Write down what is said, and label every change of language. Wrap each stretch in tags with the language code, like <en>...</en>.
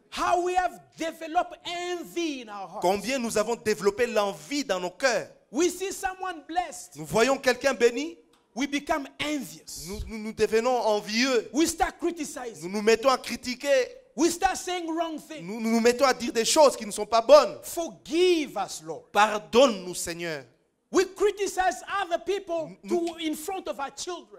<en>How we have developed envy in our hearts.</en> <fr>Combien nous avons développé l'envie dans nos cœurs.</fr> <en>We see someone blessed.</en> <fr>Nous voyons quelqu'un béni.</fr> <en>We become envious.</en> <fr>Nous devenons envieux.</fr> <en>We start criticizing.</en> <fr>Nous nous mettons à critiquer.</fr> <en>We start saying wrong things.</en> <fr>Nous nous mettons à dire des choses qui ne sont pas bonnes.</fr> <en>Forgive us, Lord.</en> <fr>Pardonne-nous, Seigneur.</fr> <en>We criticize other people in front of our children.</en>